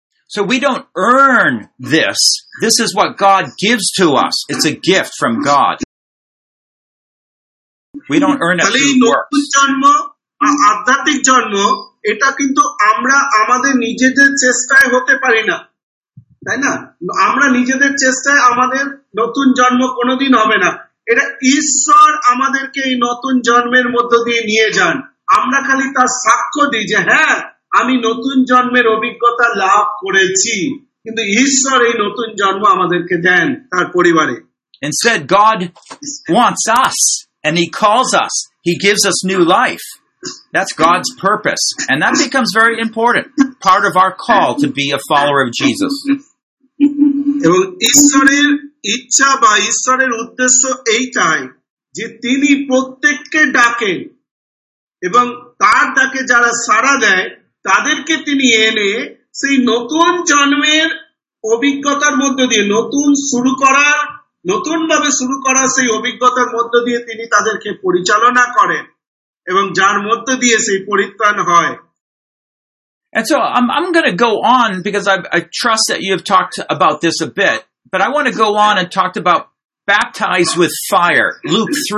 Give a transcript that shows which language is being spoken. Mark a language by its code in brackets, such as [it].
[en] So we don't earn this. This is what God gives to us. It's a gift from God. We don't earn it through works. [bn] নতুন জন্ম আধ্যাত্মিক জন্ম এটা কিন্তু আমরা আমাদের নিজেদের চেষ্টায় হতে পারি না তাই না আমরা নিজেদের চেষ্টায় আমাদের নতুন জন্ম কোনোদিন হবে না এটা ঈশ্বর আমাদেরকে এই নতুন জন্মের মধ্য দিয়ে নিয়ে যান আমরা খালি তার সাক্ষ্য দিই যে হ্যাঁ আমি নতুন জন্মের অভিজ্ঞতা লাভ করেছি কিন্তু ঈশ্বর এই নতুন জন্ম আমাদেরকে দেন তার পরিবারে [en] Instead God wants us and he calls us he gives us new life that's God's purpose and that becomes very important part of our call to be a follower of Jesus [bn] এবং ঈশ্বরের ইচ্ছা বা ঈশ্বরের উদ্দেশ্য এইটাই যে তিনি প্রত্যেককে ডাকেন এবং তার ডাকে যারা সাড়া দেয় তাদেরকে তিনি এনে সেই নতুন জন্মের অভিজ্ঞতার মধ্য দিয়ে নতুন শুরু করার নতুনভাবে শুরু করার সেই অভিজ্ঞতার মধ্য দিয়ে তিনি তাদেরকে পরিচালনা করেন এবং যার মধ্য দিয়ে সেই পরিত্রাণ হয় [en] And so I'm going to go on because I trust that you've talked about this a bit, but I want to go on and talk about baptized with fire, Luke